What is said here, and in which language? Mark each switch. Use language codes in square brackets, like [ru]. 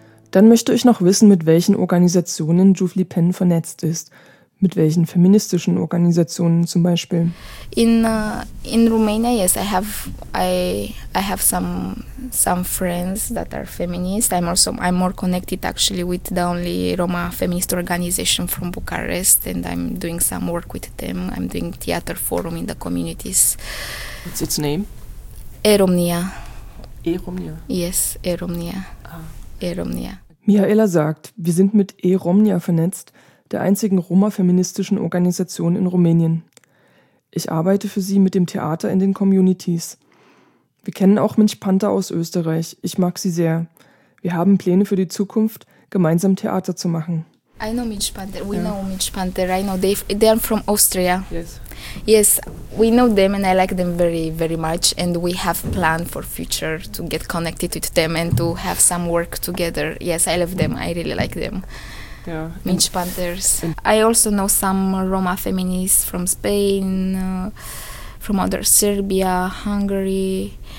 [de] Dann möchte ich noch wissen, mit welchen Organisationen Juvli Penn vernetzt ist. Mit welchen feministischen Organisationen zum Beispiel? [en] In Romania, yes, I have some friends that are feminist. I'm more connected actually with the only Roma feminist organization from Bucharest, and I'm doing some work with them. I'm doing theater forum in the communities. What's its name? E-Romnia. E-Romnia? Yes, E-Romnia. Ah. E-Romnia. [de] Mihaela sagt, wir sind mit E-Romnia vernetzt, der einzigen Roma-feministischen Organisation in Rumänien. Ich arbeite für sie mit dem Theater in den Communities. Wir kennen auch Mensch Panther aus Österreich. Ich mag sie sehr. Wir haben Pläne für die Zukunft, gemeinsam Theater zu machen. [en] I know Mensch Panther. We know Mensch Panther. I know they are from Austria. Yes. Yes, we know them and I like them very, very much. And we have plan for future to get connected with them and to have some work together. Yes, I love them. I really like them. Yeah. Mensch Panthers. I also know some Roma feminists from Spain, from other Serbia, Hungary,